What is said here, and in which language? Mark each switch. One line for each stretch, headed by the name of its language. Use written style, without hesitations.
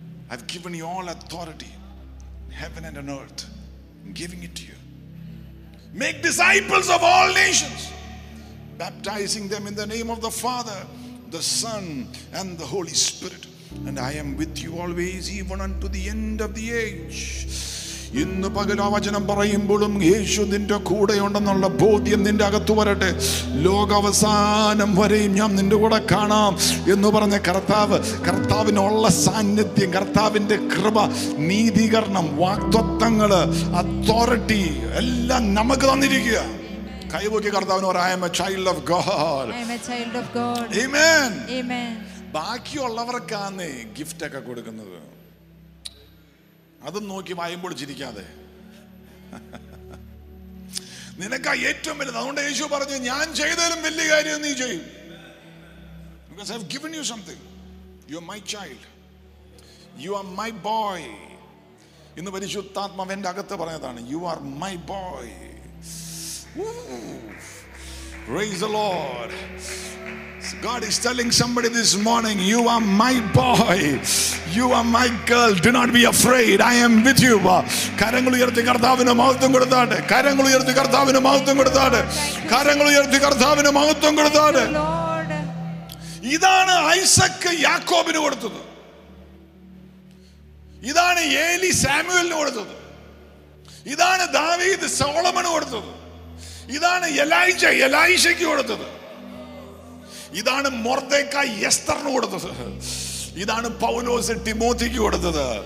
English: I've given you all authority in heaven and on earth. I'm giving it to you. Make disciples of all nations, baptizing them in the name of the Father, the Son, and the Holy Spirit. And I am with you always, even unto the end of the age.
Malayalam: ഇന്ന് പകലോ വചനം പറയുമ്പോഴും യേശു നിന്റെ കൂടെയുണ്ടെന്നുള്ള ബോധ്യം നിന്റെ അകത്തു വരട്ടെ. ലോകാവസാനം വരെയും ഞാൻ നിന്റെ കൂടെ കാണാം എന്ന് പറഞ്ഞ കർത്താവ്, കർത്താവിനുള്ള സാന്നിധ്യം, കർത്താവിന്റെ കൃപ, നീതീകരണം, വാക്തത്വങ്ങള്, അതോറിറ്റി എല്ലാം നമുക്ക് തന്നിരിക്കുക. കൈപൊക്കി കർത്താവിന് പറയാം,
English: I am a child of God. Amen.
Malayalam: ബാക്കിയുള്ളവർക്കാണ് gift ഒക്കെ കൊടുക്കുന്നത്. അതും നോക്കി വായുമ്പോൾ ചിരിക്കാതെ, നിനക്കാ ഏറ്റവും വലുത്. അതുകൊണ്ട് യേശു പറഞ്ഞു, ഞാൻ ചെയ്തതിലും വലിയ കാര്യം നീ ചെയ്യും.
English: Because I've given you something. You are my child. You are my boy.
Malayalam: ഇന്ന് പരിശുദ്ധാത്മാവ് എന്റെ അകത്ത് പറഞ്ഞതാണ്,
English: You are my boy. Praise the Lord. God is telling somebody this morning, you are my boy, you are my girl, do not be afraid, I am with you.
Malayalam: കരങ്ങൾ ഉയർത്തി കർത്താവിന് മഹത്വം കൊടുത്താട്ടെ, കരങ്ങൾ ഉയർത്തി കർത്താവിന് മഹത്വം കൊടുത്താട്ടെ, കരങ്ങൾ ഉയർത്തി കർത്താവിന് മഹത്വം കൊടുത്താട്ടെ. ഇതാണ് ഐസക്ക് യാക്കോബിന് കൊടുത്തത്, ഇതാണ് ഏലി സാമുവലിന് കൊടുത്തത്, ഇതാണ് ദാവീദ് സോളമന് കൊടുത്തത്, ഇതാണ് എലൈജ എലൈഷയ്ക്ക് കൊടുത്തത്, ഇതാണ് മൊർദെക്കായി എസ്തറിന് കൊടുത്തത്, ഇതാണ് പൗലോസ് ടിമോത്തിക്ക് കൊടുത്തത്.